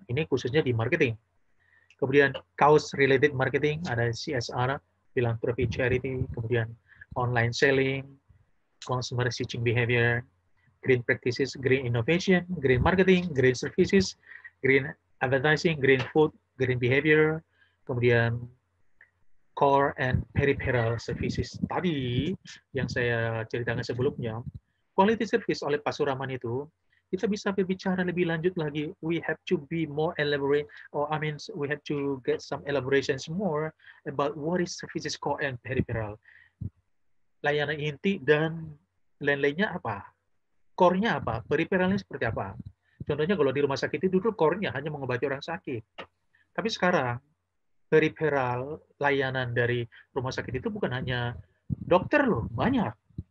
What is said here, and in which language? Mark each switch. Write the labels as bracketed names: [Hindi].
[Indonesian] Ini khususnya di marketing. Kemudian cause related marketing ada CSR, philanthropy, charity, kemudian online selling, consumer switching behavior, green practices, green innovation, green marketing, green services, green advertising, green food, green behavior, kemudian core and peripheral services tadi yang saya ceritakan sebelumnya, quality service oleh Pak Suraman itu, kita bisa berbicara lebih lanjut lagi. [English] We have to be more elaborate, or I mean, we have to get some elaborations more about what is services core and peripheral. [Indonesian] Layanan inti dan lain-lainnya apa? Core-nya apa? Peripheralnya seperti apa? Contohnya kalau di rumah sakit itu dulu core-nya hanya mengobati orang sakit. Tapi sekarang, peripheral layanan dari rumah sakit itu bukan hanya dokter loh, banyak.